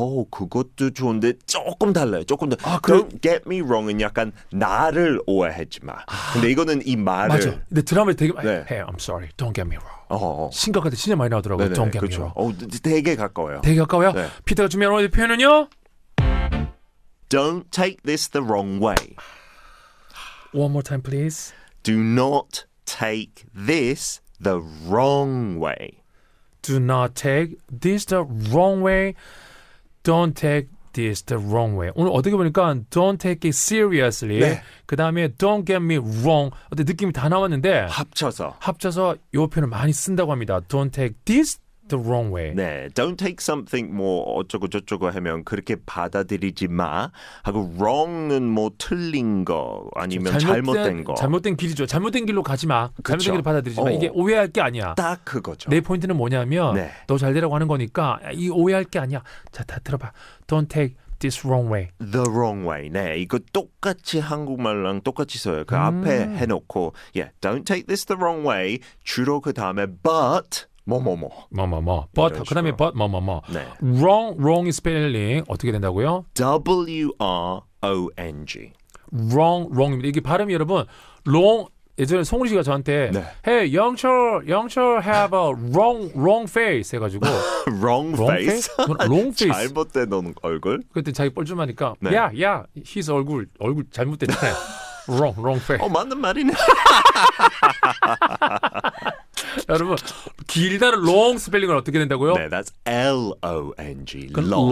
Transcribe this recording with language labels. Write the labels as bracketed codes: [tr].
[ko] 그것도 좋은데 조금 달라요. 조금 더. 아, 그... [en] Don't get me wrong [ko] 은 약간 나를 오해하지 마. 근데 이거는 이 말을. 맞아. 근데 드라마에 되게 많이. 네. [en] Hey, I'm sorry. Don't get me wrong. [ko] 심각하게 진짜 많이 나오더라고요. 네네, [en] Don't get [ko] 그쵸. [en] me wrong. [ko] 되게 가까워요. 되게 가까워요? 네. 피터가 준비한 오늘 표현은요? [en] Don't take this the wrong way. One more time, please. Do not take this the wrong way. Do not take this the wrong way. Don't take this the wrong way. [ko] 오늘 어떻게 보니까 [en] don't take it seriously. [ko] 네. 그 다음에 [en] don't get me wrong. [ko] 어때 느낌이 다 나왔는데 합쳐서 이 표현을 많이 쓴다고 합니다. [en] Don't take this the wrong way. [ko] 네, [en] don't take something [ko] 뭐 어쩌고 저쩌고 하면 그렇게 받아들이지 마. 하고 wrong은 뭐 틀린 거 아니면 잘못된 거. 잘못된 길이죠. 잘못된 길로 가지 마. 그쵸. 잘못된 길로 받아들이지 마. 이게 오해할 게 아니야. 딱 그거죠. 내 포인트는 뭐냐면 네. 너 잘 되라고 하는 거니까 이 오해할 게 아니야. 자, 다 들어봐. [en] Don't take this wrong way. The wrong way. [ko] 네, 이거 똑같이 한국말랑 똑같이 써요. 그 앞에 해놓고 [en] yeah, don't take this the wrong way. [ko] 주로 그 다음에 but 뭐뭐뭐 but 그 다음에 but 뭐뭐뭐 네. [en] wrong spelling [ko] 어떻게 된다고요? [en] W-R-O-N-G [ko] wrong, wrong입니다. 이게 발음이 여러분, long, 예전에 송은 씨가 저한테 네. [en] Hey, 영철, 영철 have a wrong, wrong face 해가지고 wrong, wrong face? face? Long face. [ko] 잘못된 얼굴? 그때 자기 뻘쭘하니까 네. [en] Yeah, yeah, his [ko] 얼굴, 얼굴 잘못됐잖아요. [en] wrong, wrong face. [ko] 어, 맞는 말이네. 여러분, 길다는 long 스펠링은 어떻게 된다고요? [en] 네, that's L-O-N-G, long.